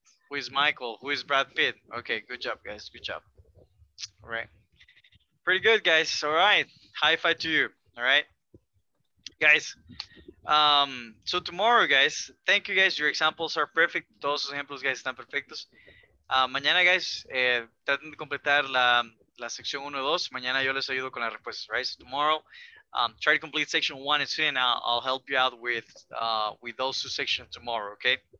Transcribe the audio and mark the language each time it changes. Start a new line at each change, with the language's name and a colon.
English: Who is Michael? Who is Brad Pitt? Okay, good job, guys. Good job. All right. Pretty good, guys. All right. High five to you. All right. Guys, so tomorrow, guys, thank you, guys. Your examples are perfect.
Spanish: Todos los ejemplos, guys, están perfectos. Mañana, guys, traten de completar la sección 1 y 2. Mañana yo les ayudo con las respuestas, right?
English: So tomorrow, try to complete section 1 and 2, and I'll help you out with those two sections tomorrow, okay?